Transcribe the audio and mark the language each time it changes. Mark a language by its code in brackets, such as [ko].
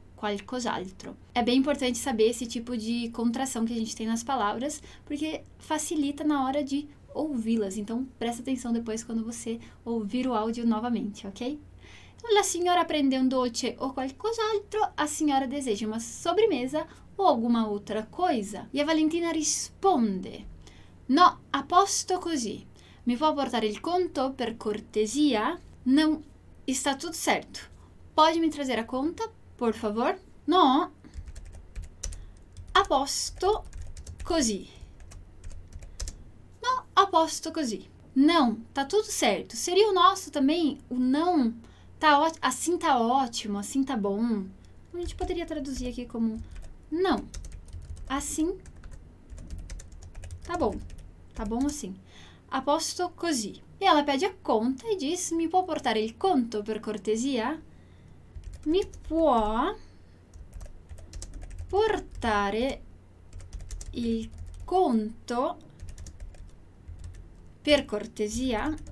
[pt] Qualcos'altro. É bem importante saber esse tipo de contração que a gente tem nas palavras, porque facilita na hora de ouvi-las. Então, presta atenção depois quando você ouvir o áudio novamente, ok? Então, [it] la signora prende un dolce o qualcos'altro, [pt] a senhora deseja uma sobremesa ou alguma outra coisa? E a Valentina [it] risponde: no, a posto così. Mi può portare il conto per cortesia? [pt] Não, está tudo certo. Pode me trazer a conta? Por favor, [it] no, a posto così. No, a posto così. [pt] Não, tá tudo certo. Seria o nosso também, o não, tá ótimo, assim tá ótimo, assim tá bom. A gente poderia traduzir aqui como não, assim tá bom assim. [it] A posto così. [pt] E ela pede a conta e diz, [it] mi può portare il conto per cortesia? Mi può portare il conto per cortesia?